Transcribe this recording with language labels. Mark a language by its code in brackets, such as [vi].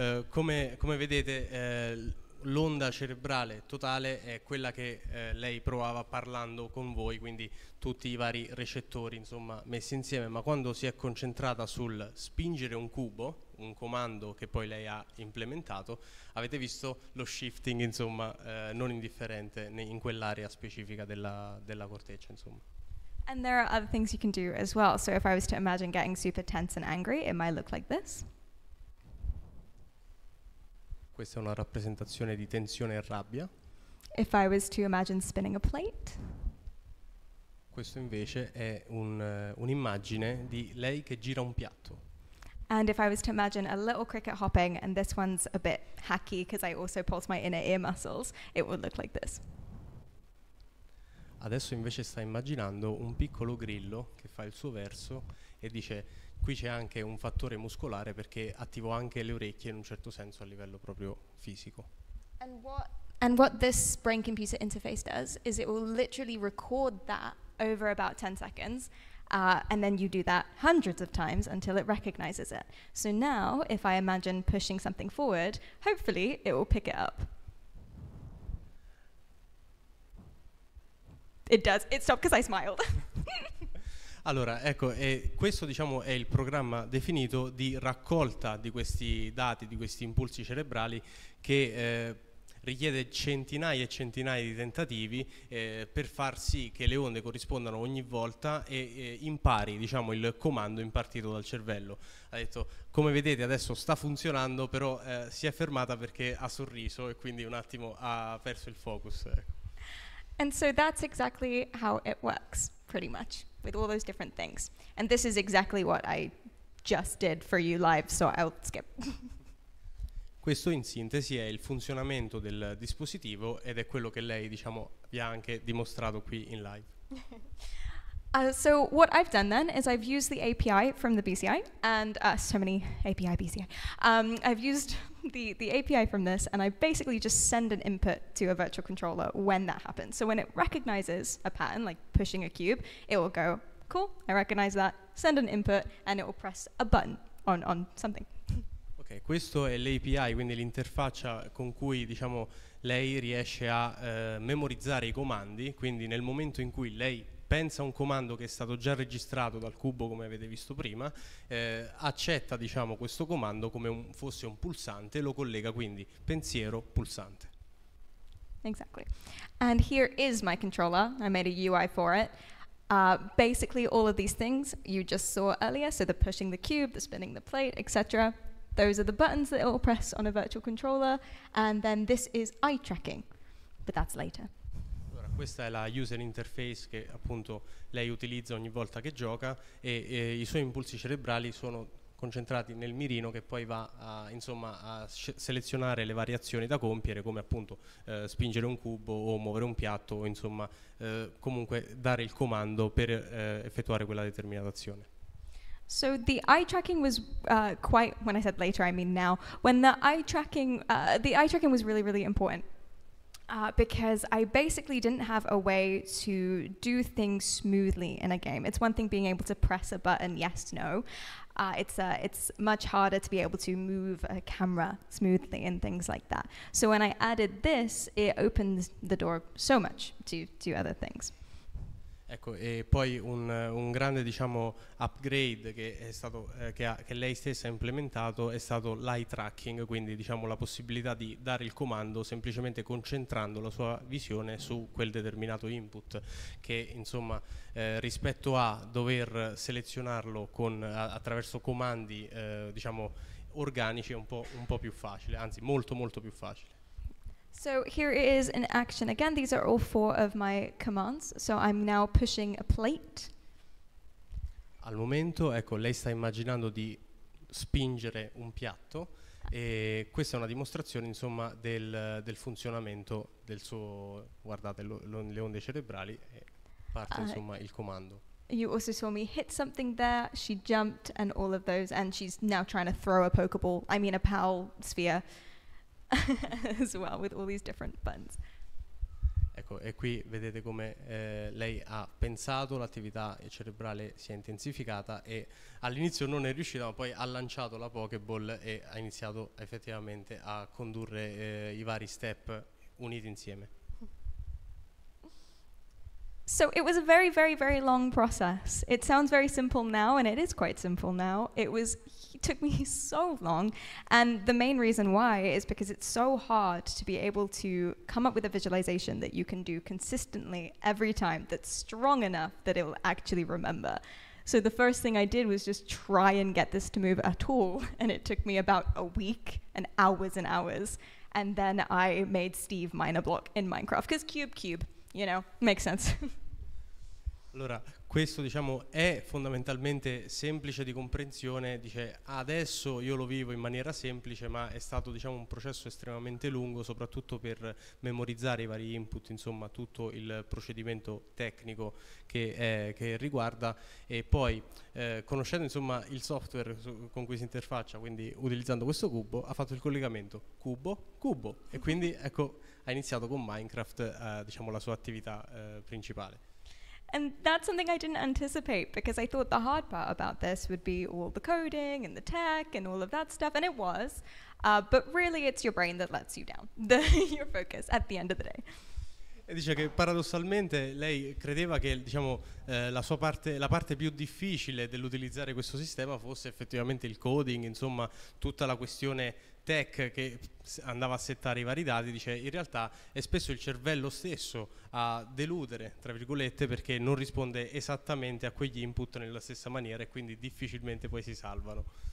[it] Come vedete, l'onda cerebrale totale è quella che lei provava parlando con voi, quindi tutti i vari recettori, insomma, messi insieme, ma quando si è concentrata sul spingere un cubo, un comando che poi lei ha implementato, avete visto lo shifting, insomma, non indifferente in quell'area specifica della corteccia, insomma. [en] And there are other things you can do as well. So if I was to imagine getting super tense and angry, it might look like this. [it] Questa è una rappresentazione di tensione e rabbia. [en] If I was to imagine spinning a plate. [it] Questo invece è un'immagine di lei che gira un piatto. [en] And if I was to imagine a little cricket hopping, and this one's a bit hacky because I also pulse my inner ear muscles, it would look like this. [it] Adesso invece sta immaginando un piccolo grillo che fa il suo verso e dice: qui c'è anche un fattore muscolare perché attivo anche le orecchie in un certo senso a livello proprio fisico. [en] And what this brain computer interface does is it will literally record that over about 10 seconds and then you do that hundreds of times until it recognizes it. So now if I imagine pushing something forward, hopefully it will pick it up. It does. It stopped because I smiled. [it] Allora, ecco, e questo, diciamo, è il programma definito di raccolta di questi dati, di questi impulsi cerebrali, che richiede centinaia e centinaia di tentativi per far sì che le onde corrispondano ogni volta e impari, diciamo, il comando impartito dal cervello. Ha detto: come vedete, adesso sta funzionando, però si è fermata perché ha sorriso e quindi un attimo ha perso il focus. [en] And so that's exactly how it works, pretty much, with all those different things. And this is exactly what I just did for you live, so I'll skip. [it] Questo in sintesi è il funzionamento del dispositivo ed è quello che lei, diciamo, vi ha anche dimostrato qui in live. [en] So what I've done then is I've used the API from the BCI, and so many API, BCI. I've used the API from this, and I basically just send an input to a virtual controller when that happens. So when it recognizes a pattern, like pushing a cube, it will go, cool, I recognize that, send an input, and it will press a button on something. [it] Okay, questo è l'API, quindi l'interfaccia con cui, diciamo, lei riesce a memorizzare i comandi, quindi nel momento in cui lei pensa a un comando che è stato già registrato dal cubo, come avete visto prima, accetta, diciamo, questo comando come fosse un pulsante e lo collega quindi pensiero pulsante. [en] Exactly. And here is my controller. I made a UI for it. Basically all of these things you just saw earlier, so the pushing the cube, the spinning the plate, etc. Those are the buttons that it will press on a virtual controller, and then this is eye tracking. But that's later. [it] Questa è la user interface che appunto lei utilizza ogni volta che gioca e i suoi impulsi cerebrali sono concentrati nel mirino che poi va a selezionare le varie azioni da compiere, come appunto spingere un cubo o muovere un piatto o insomma comunque dare il comando per effettuare quella determinata azione. [en] So the eye tracking was quite, when I said later I mean now, when the eye tracking was really, really important. Because I basically didn't have a way to do things smoothly in a game. It's one thing being able to press a button, yes, no. It's much harder to be able to move a camera smoothly and things like that. So when I added this, it opens the door so much to other things. [it] Ecco, e poi un grande, diciamo, upgrade che è stato che lei stessa ha implementato è stato l'eye tracking, quindi diciamo la possibilità di dare il comando semplicemente concentrando la sua visione su quel determinato input, che insomma rispetto a dover selezionarlo attraverso comandi diciamo organici è un po' più facile, anzi molto molto più facile. [en] So here is an action. Again, these are all four of my commands. So I'm now pushing a plate. [it] Al momento, ecco, lei sta immaginando di spingere un piatto, e questa è una dimostrazione, insomma, del funzionamento del suo, guardate, le onde cerebrali, e parte insomma il comando. [en] You also saw me hit something there. She jumped and all of those, and she's now trying to throw a Pokeball. I mean a PAL sphere. as well with all these different buttons. [it] Ecco, e qui vedete come lei ha pensato, l'attività cerebrale si è intensificata e all'inizio non è riuscita, ma poi ha lanciato la Pokéball e ha iniziato effettivamente a condurre i vari step uniti insieme. [en] So it was a very, very, very long process. It sounds very simple now, and it is quite simple now. It took me so long, and the main reason why is because it's so hard to be able to come up with a visualization that you can do consistently every time that's strong enough that it will actually remember. So the first thing I did was just try and get this to move at all, and it took me about a week and hours, and then I made Steve Miner Block in Minecraft, because cube. You know, makes sense. [it] Allora, questo diciamo è fondamentalmente semplice di comprensione, dice adesso io lo vivo in maniera semplice, ma è stato diciamo un processo estremamente lungo, soprattutto per memorizzare i vari input, insomma tutto il procedimento tecnico che riguarda, e poi conoscendo insomma il software con cui si interfaccia, quindi utilizzando questo cubo, ha fatto il collegamento cubo, e quindi ecco ha iniziato con Minecraft diciamo la sua attività principale. [en] And that's something I didn't anticipate, because I thought the hard part about this would be all the coding and the tech and all of that stuff, and it was, but really it's your brain that lets you down, your focus at the end of the day. [it] E dice che paradossalmente lei credeva che diciamo la parte più difficile dell'utilizzare questo sistema fosse effettivamente il coding, insomma tutta la questione tech che andava a settare i vari dati. Dice in realtà è spesso il cervello stesso a deludere, tra virgolette, perché non risponde esattamente a quegli input nella stessa maniera, e quindi difficilmente poi si salvano.